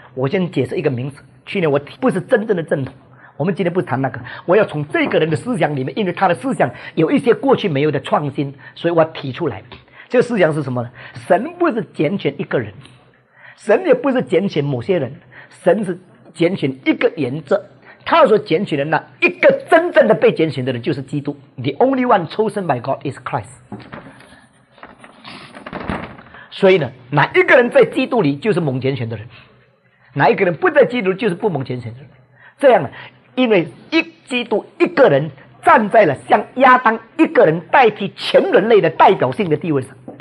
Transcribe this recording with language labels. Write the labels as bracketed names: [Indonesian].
[Chinese] 我先解释一个名词，去年我不是真正的正统，我们今天不谈那个，我要从这个人的思想里面，因为他的思想有一些过去没有的创新，所以我提出来。这个思想是什么呢？神不是拣选一个人，神也不是拣选某些人，神是拣选一个原则。他所拣选的那一个真正的被拣选的人就是基督。 [English] The only one chosen by God is Christ。 [Chinese] 所以呢，哪一个人在基督里就是蒙拣选的人，哪一个人不在基督里就是不蒙拣选的人。这样呢，因为一基督一个人站在了像亚当一个人代替全人类的代表性的地位上。